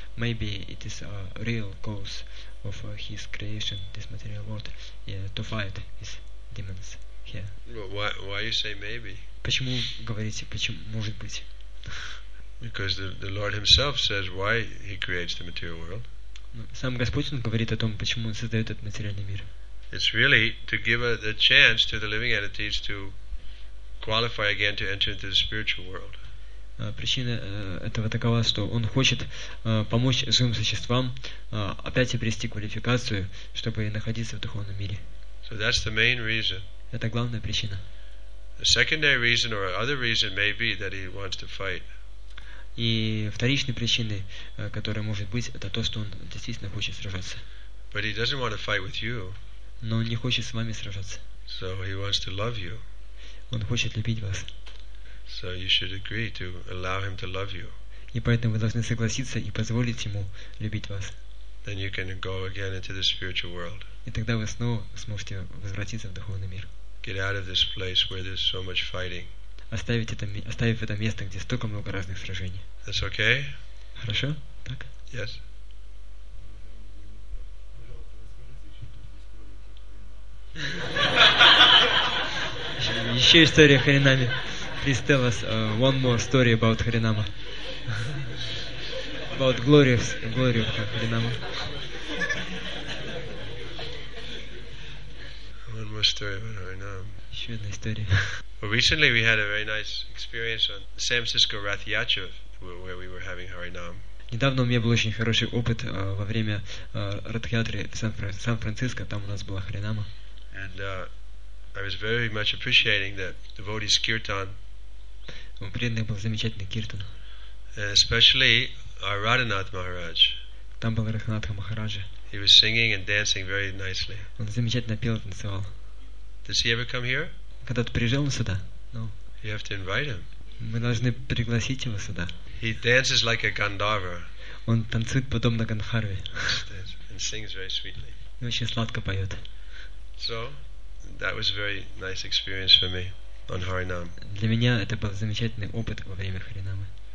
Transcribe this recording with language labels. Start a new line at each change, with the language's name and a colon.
English: Maybe it is a real cause of his creation, this material world, to fight his demons here. Why you say maybe?
Russian: Почему говорите? Почему может быть?
English: Because the Lord Himself says why He creates the material world.
Russian: Сам Господь Он говорит о том, почему Он создает этот материальный мир.
English: It's really to give a chance to the living entities to qualify again to enter into the spiritual world.
Russian: Причина этого такова, что Он хочет помочь живым существам опять обрести квалификацию, чтобы находиться в духовном мире.
English: So that's the main reason.
Russian: Это главная причина.
English: The secondary reason or other reason may be that He wants to fight.
Russian: И вторичной причиной, которая может быть, это то, что он действительно хочет сражаться.
English: But he doesn't want to fight with you.
Russian: Но он не хочет с вами сражаться.
English: So he wants to love you.
Russian: Он хочет любить вас.
English: So you should agree to allow him to love you.
Russian: И поэтому вы должны согласиться и позволить ему любить вас.
English: Then you can go again into the spiritual world.
Russian: И тогда вы снова сможете возвратиться в духовный мир.
English: Get out of this place where there's so much fighting.
Russian: Оставив это место, где столько много разных сражений.
English: That's okay.
Russian: Хорошо? Так?
English: Yes.
Russian: Еще история Харинами.
English: Please tell us one more story about Харинама. About glory of Харинама. One more story about Харинам.
Russian: Еще одна история.
English: Well, recently we had a very nice experience on San Francisco Rath Yachav, where we were having Harinam.
Russian: Недавно у меня был очень хороший опыт во время Ратхиатры в Сан-Франциско. Там у нас была Харинама.
English: And I was very much appreciating the devotees' kirtan.
Russian: Он преданный был замечательный киртан.
English: Especially our Radhanath Maharaj.
Russian: Там был Радханатха Махараджа.
English: He was singing and dancing very nicely.
Russian: Он замечательно пел и танцевал.
English: Does he ever come here?
Russian: Когда ты приезжал сюда, ну,
English: you have to invite him.
Russian: Мы должны пригласить его сюда.
English: He dances like a Gandhara.
Russian: Он танцует подобно Гандхарве.
English: And sings very sweetly.
Russian: И очень сладко поет.
English: So, that was a very nice experience for me on Harinam.
Russian: Для меня это был замечательный опыт во время Харинамы.